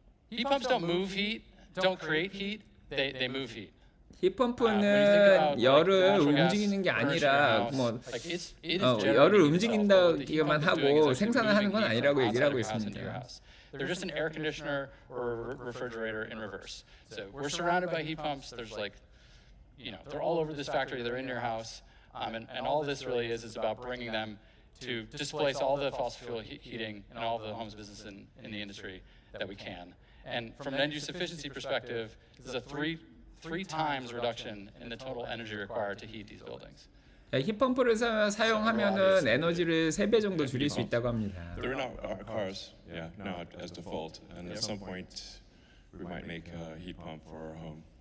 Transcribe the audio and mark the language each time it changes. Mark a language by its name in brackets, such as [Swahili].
[English] Heat pumps don't move heat, don't create heat, they move heat. [Korean] 힛펌프는 열을 움직이는 게 아니라 뭐 열을 움직인다기만 하고 생산을 하는 건 아니라고 얘기를 하고 있습니다. [English] They're just an air conditioner or refrigerator in reverse. So we're surrounded by heat pumps. There's like, you know, they're all over this factory. They're in your house. And all this really is about bringing them to displace all the fossil fuel heating and all the homes business in the industry that we can. And from an energy efficiency perspective, this is a three times reduction in the total energy required to heat these buildings. [Korean] 힛펌프를 사용하면은 에너지를 3배 정도 줄일 수 있다고 합니다. [English] They're not our cars, yeah, not as default. And at some point, we might make a heat pump for our home.